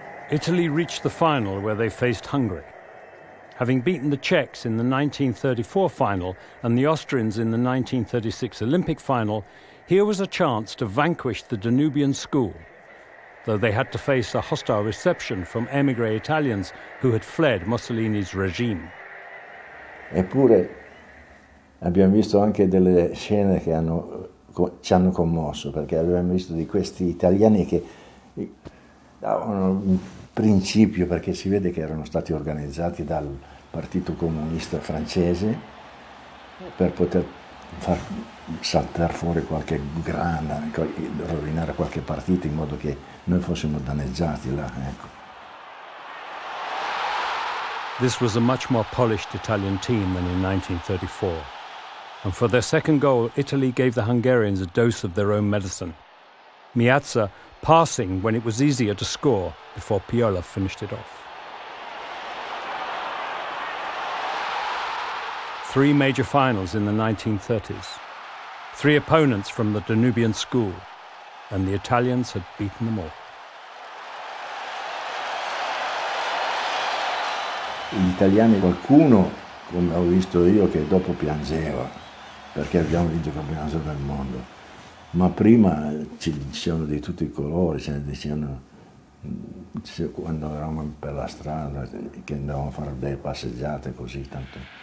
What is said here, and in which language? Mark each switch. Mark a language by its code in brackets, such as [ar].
[en] Italy reached the final where they faced Hungary. Having beaten the Czechs in the 1934 final and the Austrians in the 1936 Olympic final, here was a chance to vanquish the Danubian school. Though they had to face a hostile reception from emigre Italians who had fled Mussolini's regime. [it] Eppure abbiamo visto anche delle scene che ci hanno commosso, perché abbiamo visto di questi italiani che davano un principio, perché si vede che erano stati organizzati dal Partito Comunista Francese per poter far saltare fuori qualche grana, rovinare qualche partita in modo che noi fossimo danneggiati là, ecco. [en] This was a much more polished Italian team than in 1934. And for their second goal, Italy gave the Hungarians a dose of their own medicine. Miazza passing when it was easier to score before Piola finished it off. Three major finals in the 1930s. Three opponents from the Danubian school, and the Italians had beaten them all. [it] Gli italiani, qualcuno, come ho visto io, che dopo piangeva, perché abbiamo vinto il campionato del mondo. Ma prima ci dicevano di tutti i colori, ce ne dicevano quando eravamo per la strada, che andavamo a fare delle passeggiate così tanto.